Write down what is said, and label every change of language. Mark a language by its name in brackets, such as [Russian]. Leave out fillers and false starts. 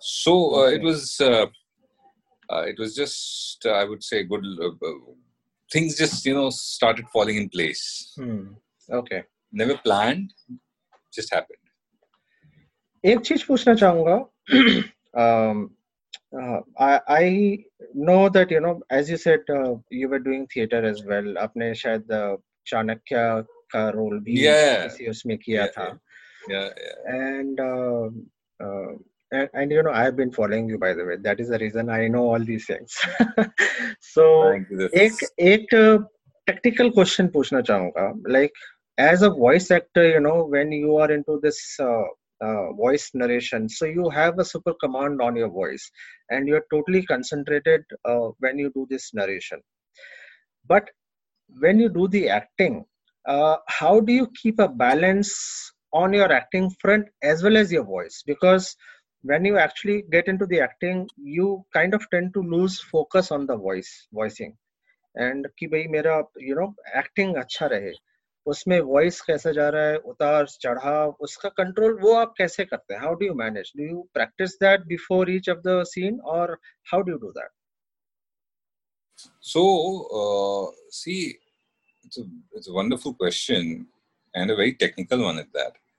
[English] So it was just I would say good things just you know started falling in place. Okay. Never planned, just happened. [Hindi] एक चीज पूछना चाहूँगा. [English] I know that you know as you said you were doing theater as well. [Hindi] आपने शायद चाणक्य का role भी किसी उसमें किया था. [English] And you know I have been following you by the way. That is the reason I know all these things. So [Hindi] एक technical question पूछना चाहूँगा. [English] Like as a voice actor, you know when you are into this. Voice narration. So you have a super command on your voice and you're totally concentrated when you do this narration. But when you do the acting, how do you keep a balance on your acting front as well as your voice? Because when you actually get into the acting, you kind of tend to lose focus on the voicing. And [Hindi] ki bhai mera, [English] you know, [Hindi] acting acha rahe. उसमें voice कैसे जा रहा है उतार चढ़ाव उसका control वो आप कैसे करते हैं. [English] How do you manage. Do you practise that before each of the scene और how do you do that. So see it's a wonderful question and a very technical one at that.